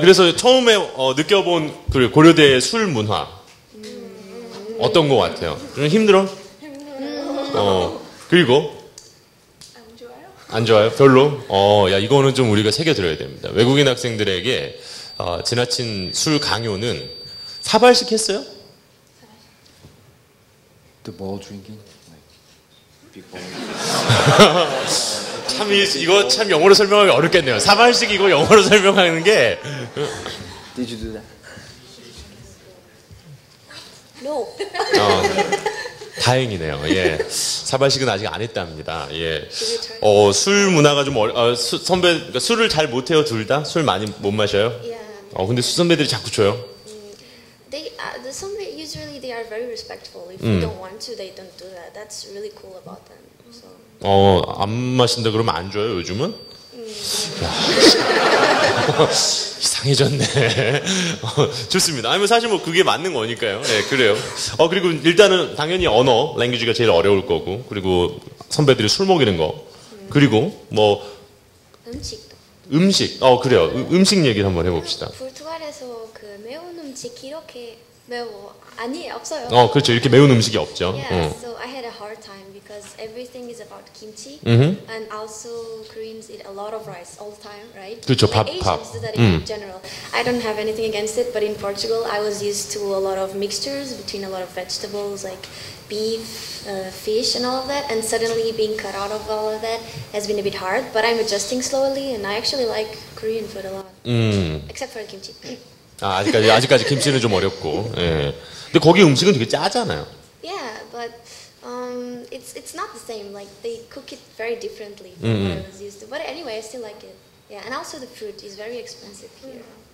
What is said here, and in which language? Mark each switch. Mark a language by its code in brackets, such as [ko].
[ko] 그래서 처음에 느껴본 그 고려대의 술 문화 어떤 것 같아요? 좀 힘들어? 힘들어요. 그리고? 안 좋아요? 안 좋아요? 별로? 이거는 좀 우리가 새겨들어야 됩니다. 외국인 학생들에게 지나친 술 강요는 사발식 했어요? [en] 사발식. The ball drinking? Big ball. [ko] 참 이거 참 영어로 설명하기 어렵겠네요. 사발식이고 영어로 설명하는 게. [en] Did you do that? No. [ko] 다행이네요. 예. 사발식은 아직 안 했답니다. 예. 술 문화가 좀 선배 그러니까 술을 잘 못 해요, 둘 다? 술 많이 못 마셔요? 근데 수 선배들이 자꾸 줘요. [en] The some usually they are very respectful. If you don't want to, they don't do that. That's really cool about them. So. [ko] 안 마신다 그러면 안 줘요 요즘은? 이상해졌네. 좋습니다. 아니면 사실 뭐 그게 맞는 거니까요. 네, 그래요. 그리고 일단은 당연히 언어, 랭귀지가 제일 어려울 거고, 그리고 선배들이 술 먹이는 거, 그리고 뭐 음식도. 음식. 그래요. 음식 얘기를 한번 해봅시다. 포르투갈에서 그 매운 음식 이렇게 매워 아니 없어요. 그렇죠. 이렇게 매운 음식이 없죠. [en] Yeah, so I had a hard time because everything is about kimchi. And also Koreans eat a lot of rice all the time, right? [ko] 그렇죠. 밥, [en] like, [ko] 밥. [en] Asians do that in general. I don't have anything against it, but in Portugal, I was used to a lot of mixtures between a lot of vegetables, like beef, fish, and all of that. And suddenly being cut out of all of that has been a bit hard. But I'm adjusting slowly, and I actually like Korean food a lot. Except for the kimchi. [ko] 아직까지 김치는 좀 어렵고. 예. 근데 거기 음식은 되게 짜잖아요. [en] Yeah, but it's not the same. Like they cook it very differently than I was used to. But anyway, I still like it. Yeah, and also the food is very expensive here.